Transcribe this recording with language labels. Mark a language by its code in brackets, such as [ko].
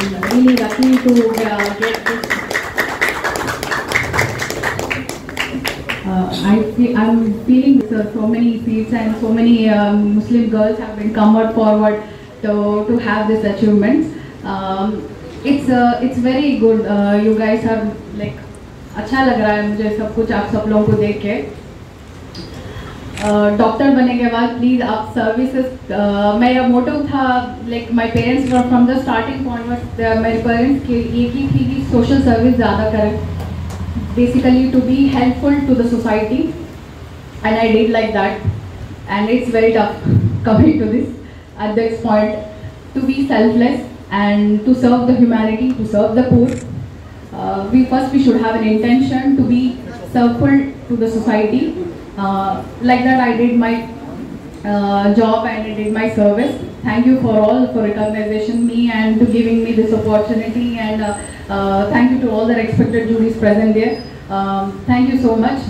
[en] Really lucky to get this. I'm feeling so many seats and so many Muslim girls have been come forward to have this achievement. It's very good. You guys are like, [hi] अच्छा लग रहा है मुझे सब कुछ आप सब लोगों को देख के. डॉक्टर बनने के बाद प्लीज आप सर्विसेज. मेरा मोटो था [en] like my parents from the starting point [hi] मेरे पेरेंट्स के एक ही थी कि सोशल सर्विस ज़्यादा करें [en] Basically to be helpful to the society and I did like that and it's very tough coming to this at this point to be selfless and to serve the humanity to serve the poor. We first we should have an intention to be helpful to the society. Like that, I did my job and I did my service. Thank you for all for recognition me and to giving me this opportunity. And thank you to all the respected juries present here. Thank you so much.